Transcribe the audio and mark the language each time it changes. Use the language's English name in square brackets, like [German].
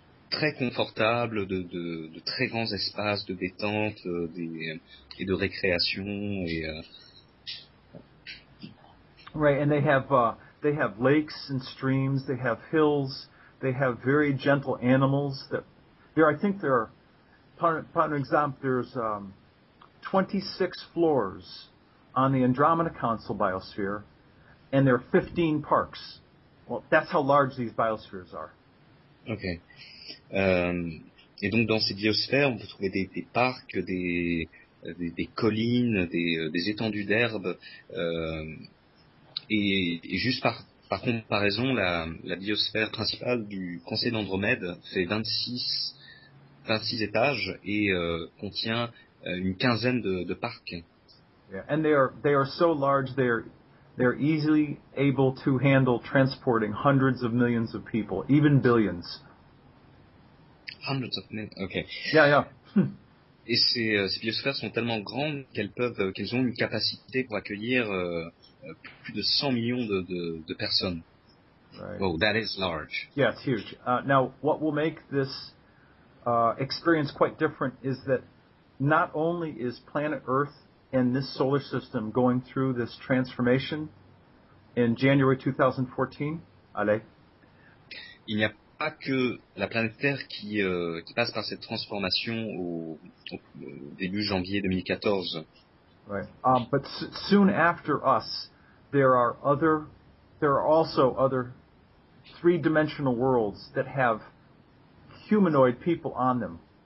[French] Très confortable, de très grands espaces de détente et de récréation. [English] Right, and they have lakes and streams, they have hills. They have very gentle animals. There's 26 floors on the Andromeda Council biosphere, and there are 15 parks. Well, that's how large these biospheres are. Okay. [French] Et donc dans ces biosphères, on peut trouver des parcs, des collines, des étendues d'herbes, et juste par. Par comparaison, la biosphère principale du Conseil d'Andromède fait 26 étages et contient une quinzaine de parcs. [English] Yeah, and they are so large they're easily able to handle transporting hundreds of millions of people, even billions. Hundreds of millions, okay. Yeah, yeah. Et ces biosphères sont tellement grandes qu'elles ont une capacité pour accueillir plus de 100 millions de personnes. Right. Wow, that is large. Yeah, it's huge. Now, what will make this experience quite different is that not only is planet Earth and this solar system going through this transformation in January 2014, [French] allez. Il n'y a pas que la planète Terre qui passe par cette transformation au début janvier 2014. [English] Right. But soon after us, there are also other three-dimensional worlds that have humanoid people on them.